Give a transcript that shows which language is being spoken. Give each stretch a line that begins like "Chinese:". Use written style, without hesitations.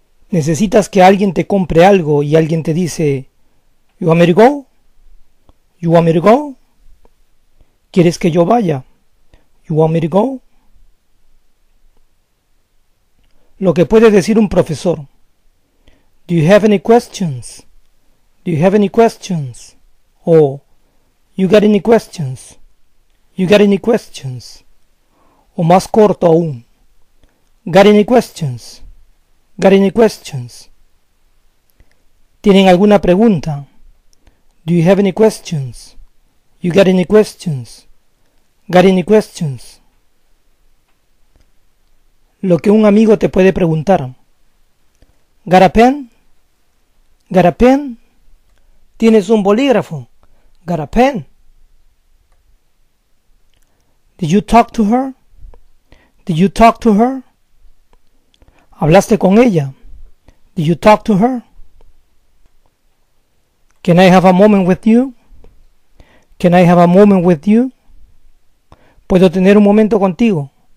Spanish: Necesitas que alguien te compre algo y alguien te dice,
English: You want me to go? You want me to go?
Spanish: ¿Quieres que yo vaya?
English: You want me to go?
Spanish: Lo que puede decir un profesor.
English: Do you have any questions? Do you have any questions? O, You got any questions? You got any questions?
Spanish: O más corto aún.
English: Got any questions? Got any questions?
Spanish: ¿Tienen alguna pregunta?
English: Do you have any questions? You got any questions? Got any questions?
Spanish: Lo que un amigo te puede preguntar.
English: Got a pen? Got a pen?
Spanish: ¿Tienes un bolígrafo?
English: Got a pen? Did you talk to her? Did you talk to her?
Spanish: ¿Hablaste con ella?
English: Did you talk to her? Can I have a moment with you? Can I have a moment with you?
Spanish: ¿Puedo tener un momento contigo?